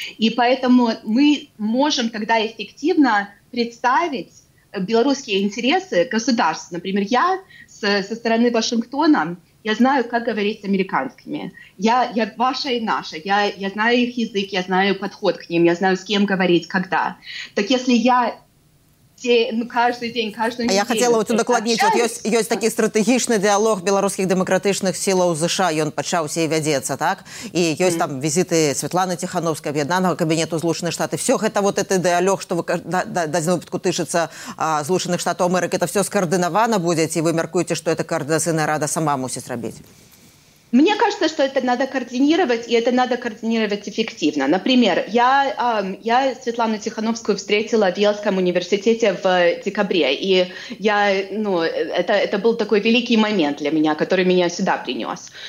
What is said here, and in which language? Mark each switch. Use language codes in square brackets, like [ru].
[ru] И поэтому мы можем тогда эффективно представить белорусские интересы государств. Например, я со стороны Вашингтона, я знаю, как говорить с американцами. Я ваша и наша. Я знаю их язык, я знаю подход к ним, я знаю, с кем говорить, когда. Так если я... каждый день. [be] Я хотела вот удакладніць, вот ёсць такі стратэгічны дыялог беларускіх дэмакратычных сілаў США, ён пачаўся і вядзецца, так? І ёсць там візіты Светланы Ціхановскай, аб'яднанага кабінету Злучаных Штатаў. Всё гэта вот гэты дыялог, што дадзены выпадку тычыцца Злучаных Штатаў Амерыкі, это всё скоардынавана будзе, ці вы мяркуеце, што эта каардынацыйная рада сама мусіць рабіць? [ru] Мне кажется, что это надо координировать, и это надо координировать эффективно. Например, я Светлану Тихановскую встретила в Йельском университете в декабре, и я, ну, это был такой великий момент для меня, который меня сюда принес.